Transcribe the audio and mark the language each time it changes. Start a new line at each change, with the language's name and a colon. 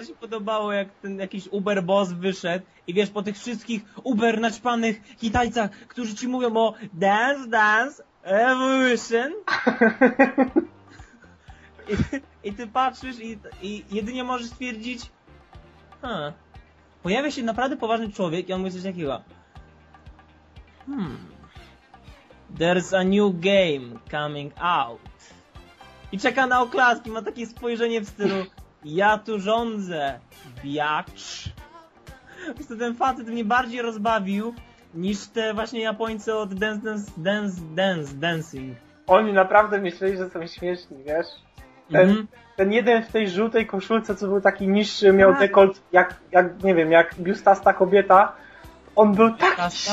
Polish: Mi się podobało, jak ten jakiś Uber boss wyszedł i wiesz, po tych wszystkich Uber naćpanych Kitajcach, którzy ci mówią o Dance Dance Evolution. I ty patrzysz i jedynie możesz stwierdzić, pojawia się naprawdę poważny człowiek i on mówi coś takiego.
English: There's a new game coming out.
Polish: I czeka na oklaski, ma takie spojrzenie w stylu ja tu rządzę, biacz. Wiesz, ten facet mnie bardziej rozbawił niż te właśnie Japońcy od Dance Dancing. Oni naprawdę myśleli, że są śmieszni, wiesz? Ten jeden w tej żółtej koszulce, co był taki niższy, miał dekolt jak nie wiem, jak biustasta kobieta. On był biustasta?